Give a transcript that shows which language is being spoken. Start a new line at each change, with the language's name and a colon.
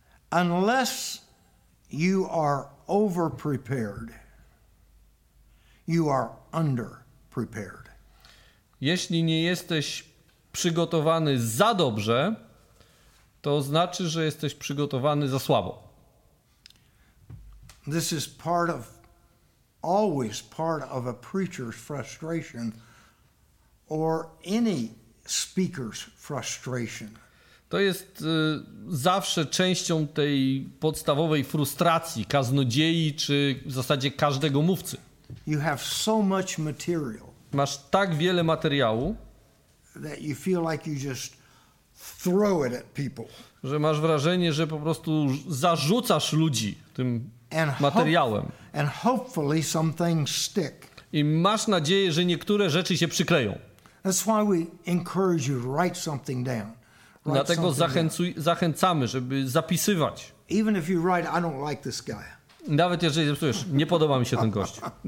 English: Unless you are overprepared, you are underprepared.
Polish: Jeśli nie jesteś przygotowany za dobrze, to znaczy, że jesteś przygotowany za słabo.
English: This is part of, always part of a preacher's frustration or any speaker's frustration.
Polish: To jest zawsze częścią tej podstawowej frustracji kaznodziei czy w zasadzie każdego mówcy.
English: You have so much material.
Polish: Masz tak wiele materiału,
English: that you feel like you just throw it at people.
Polish: Że masz wrażenie, że po prostu zarzucasz ludzi tym
English: and
Polish: materiałem.
English: And hopefully some things stick.
Polish: I masz nadzieję, że niektóre rzeczy się przykleją.
English: That's why we encourage you to write something down.
Polish: Dlatego zachęcamy, żeby zapisywać.
English: Even if you write, I don't like this guy.
Polish: Nawet jeżeli zapisujesz, nie podoba mi się ten gość.